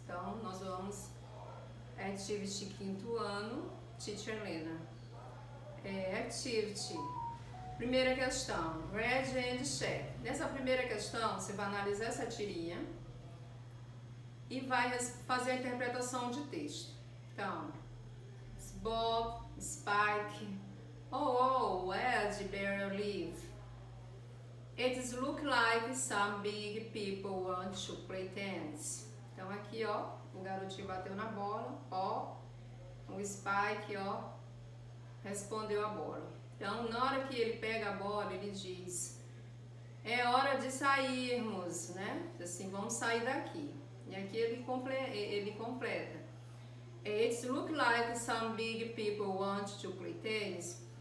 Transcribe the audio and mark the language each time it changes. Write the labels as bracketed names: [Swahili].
[Portuguese] Então, nós vamos... Activity quinto ano, teacher Lena. Activity. Primeira questão, read and share. Nessa primeira questão, você vai analisar essa tirinha e vai fazer a interpretação de texto. [English] Então, Bob, Spike, where did Barry live? It looks like some big people want to play tennis. Então, [Portuguese] Então aqui, ó, o garotinho bateu na bola, ó, o Spike, ó, respondeu a bola. Então na hora que ele pega a bola, ele diz: é hora de sairmos, né? Assim, vamos sair daqui. E aqui ele completa: [English] it looks like some big people want to play tennis.